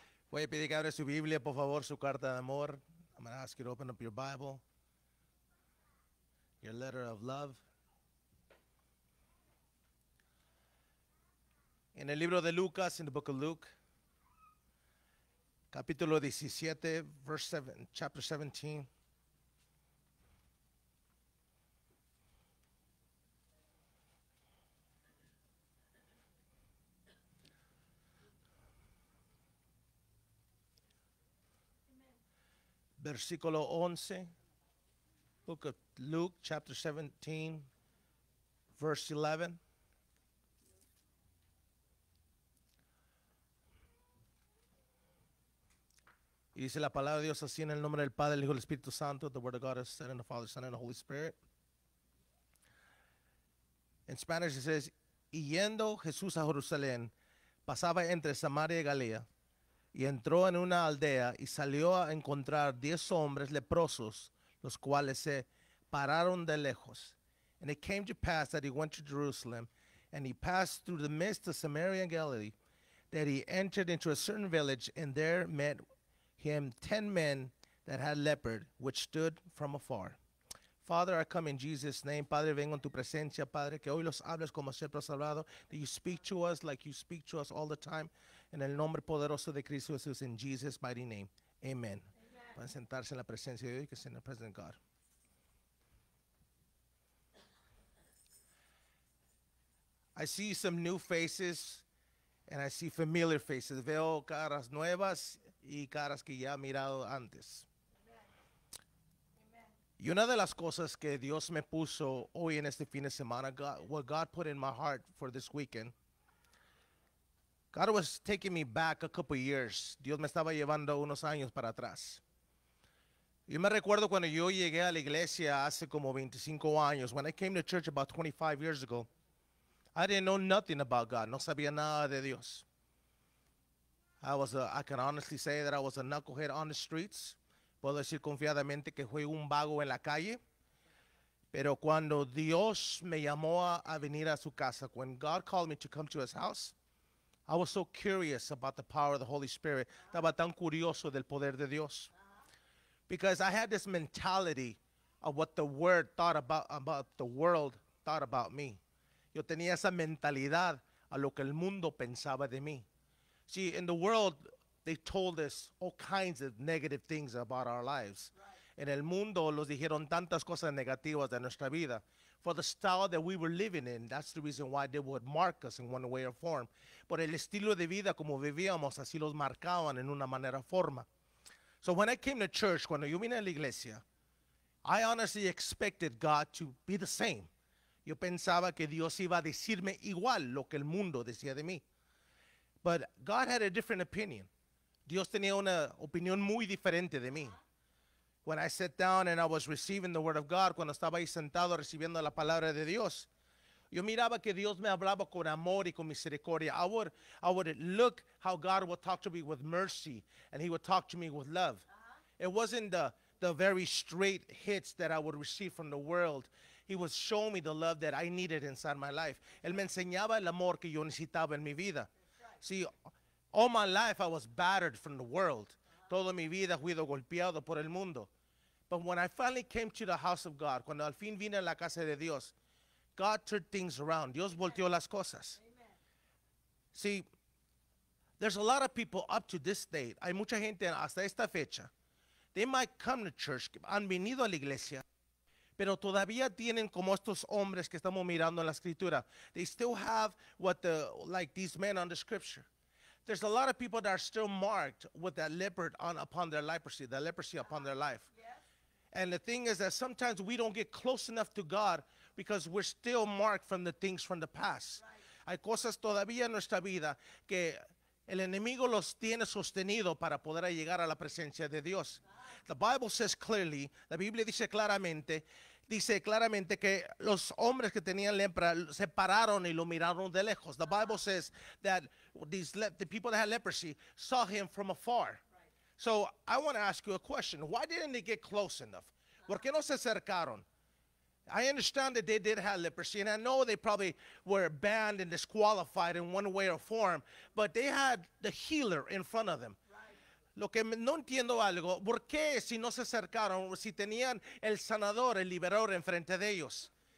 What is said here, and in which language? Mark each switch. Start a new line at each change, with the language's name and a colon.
Spanish: Voy a pedir que abra su Biblia, por favor, su carta de amor.
English: I'm going to ask you to open up your Bible, your letter of love.
Spanish: En el libro de Lucas,
English: in the book of Luke, capítulo 17, chapter 17.
Spanish: Versículo 11.
English: Book of Luke, chapter 17, verse 11.
Spanish: Y dice la palabra de Dios así en el nombre del Padre, el Hijo y el Espíritu Santo.
English: The word of God is said in the Father, Son, and the Holy Spirit. In Spanish it says,
Spanish: y yendo Jesús a Jerusalén, pasaba entre Samaria y Galilea, y entró en una aldea y salió a encontrar 10 hombres leprosos, los cuales se pararon de lejos.
English: And it came to pass that he went to Jerusalem, and he passed through the midst of Samaria and Galilee, that he entered into a certain village, and there met him 10 men that had leper, which stood from afar. Father, I come in Jesus' name.
Spanish: Padre, vengo en tu presencia, Padre, que hoy los hables como siempre has hablado,
English: that you speak to us like you speak to us all the time.
Spanish: En el nombre poderoso de Cristo Jesús,
English: in Jesus' mighty name. Amen.
Spanish: Pueden sentarse en la presencia de Dios, que sea en la presencia de
English: God. I see some new faces, and I see familiar faces.
Spanish: Veo caras nuevas y caras que ya he mirado antes. Y una de las cosas que Dios me puso hoy en este fin de semana,
English: what God put in my heart for this weekend, God was taking me back a couple years.
Spanish: Dios me estaba llevando unos años para atrás. Yo me recuerdo cuando yo llegué a la iglesia hace como 25 años.
English: When I came to church about 25 years ago, I didn't know nothing about God.
Spanish: No sabía nada de Dios.
English: I can honestly say that I was a knucklehead on the streets.
Spanish: Puedo decir confiadamente que fui un vago en la calle. Pero cuando Dios me llamó a venir a su casa,
English: when God called me to come to his house, I was so curious about the power of the Holy Spirit.
Spanish: Estaba tan curioso del poder de Dios.
English: Because I had this mentality of what the word thought about the world thought about me.
Spanish: Yo tenía esa mentalidad a lo que el mundo pensaba de mí.
English: See, in the world, they told us all kinds of negative things about our lives. Right.
Spanish: En el mundo, los dijeron tantas cosas negativas de nuestra vida.
English: For the style that we were living in, that's the reason why they would mark us in one way or form.
Spanish: Por el estilo de vida como vivíamos, así los marcaban en una manera forma.
English: So when I came to church,
Spanish: cuando yo vine a la iglesia,
English: I honestly expected God to be the same.
Spanish: Yo pensaba que Dios iba a decirme igual lo que el mundo decía de mí.
English: But God had a different opinion.
Spanish: Dios tenía una opinión muy diferente de mí.
English: When I sat down and I was receiving the word of God,
Spanish: cuando estaba ahí sentado recibiendo la palabra de Dios, yo miraba que Dios me hablaba con amor y con misericordia.
English: I would look how God would talk to me with mercy, and he would talk to me with love. Uh-huh. It wasn't the very straight hits that I would receive from the world. He would show me the love that I needed inside my life.
Spanish: Él me enseñaba el amor que yo necesitaba en mi vida.
English: See, all my life I was battered from the world.
Spanish: Toda mi vida fui golpeado por el mundo.
English: But when I finally came to the house of God,
Spanish: cuando al fin vine a la casa de Dios,
English: God turned things around.
Spanish: Dios volteó las cosas.
English: Amen. See, there's a lot of people up to this date.
Spanish: Hay mucha gente hasta esta fecha.
English: They might come to church,
Spanish: han venido a la iglesia, pero todavía tienen como estos hombres que estamos mirando en la escritura.
English: They still have like these men on the scripture. There's a lot of people that are still marked with that leprosy upon their life. Yeah. And the thing is that sometimes we don't get close enough to God because we're still marked from the things from the past. Right.
Spanish: Hay cosas todavía en nuestra vida que el enemigo los tiene sostenido para poder llegar a la presencia de Dios.
English: The Bible says clearly,
Spanish: la Biblia dice claramente que los hombres que tenían lepra se pararon y lo miraron de lejos.
English: The Bible says that the people that had leprosy saw him from afar. So I want to ask you a question. Why didn't they get close enough?
Spanish: ¿Por qué no se acercaron?
English: I understand that they did have leprosy, and I know they probably were banned and disqualified in one way or form, but they had the healer in front of them. Right.
Spanish: Lo que no entiendo algo, ¿por qué si no se acercaron, si tenían el sanador, el liberador enfrente de ellos?